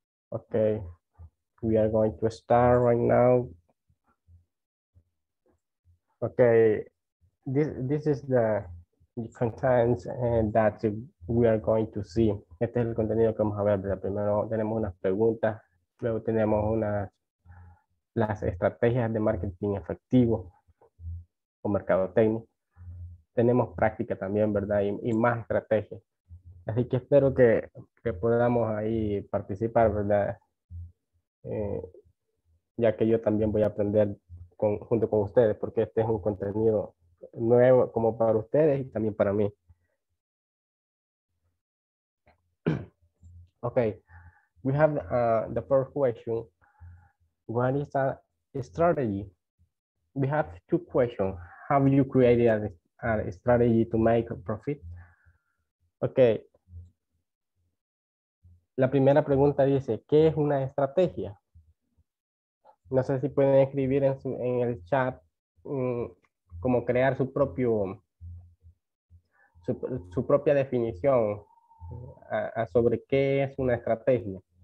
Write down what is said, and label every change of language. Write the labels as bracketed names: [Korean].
[English] Okay, we are going to start right now. Okay, this is the contents that we are going to see. [Spanish] Este es el contenido que vamos a ver. Primero tenemos unas preguntas, luego tenemos las estrategias de marketing efectivo o mercado técnico. Tenemos práctica también, ¿verdad? Y más estrategias. Así que espero que podamos ahí participar, ¿verdad? Ya que yo también voy a aprender junto con ustedes, porque este es un contenido nuevo como para ustedes y también para mí. [English] Okay, we have the first question. What is a strategy? We have two questions. Have you created a strategy to make a profit? Okay. [Spanish] La primera pregunta dice, ¿qué es una estrategia? No sé si pueden escribir en el chat cómo crear su propia definición sobre qué es una estrategia.